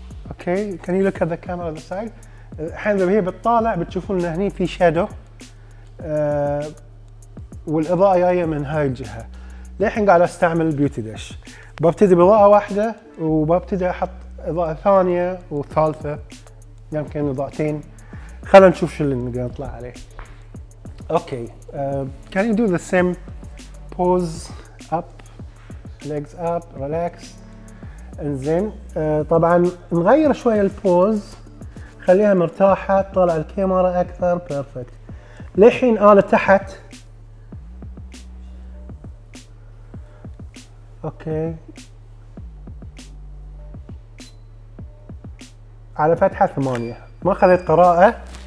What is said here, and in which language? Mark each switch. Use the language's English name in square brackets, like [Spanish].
[Arabic] اوكي، [English] Can you look at the camera the side. [Arabic] الحين هي بتطالع، بتشوفون ان هني في شادو والاضاءة جاية من هاي الجهة. للحين قاعد استعمل البيوتي ديش. ببتدي بإضاءة واحدة، وببتدي احط إضاءة ثانية وثالثة، يمكن إضاءتين. خلينا نشوف شو اللي نقدر نطلع عليه. اوكي، [English] can you do the same pose up legs up relax. [Arabic] انزين طبعا نغير شوية البوز، خليها مرتاحة، طلع الكاميرا أكثر. بيرفكت. للحين أنا تحت. اوكي، على فتحة 8، ما خذيت قراءة.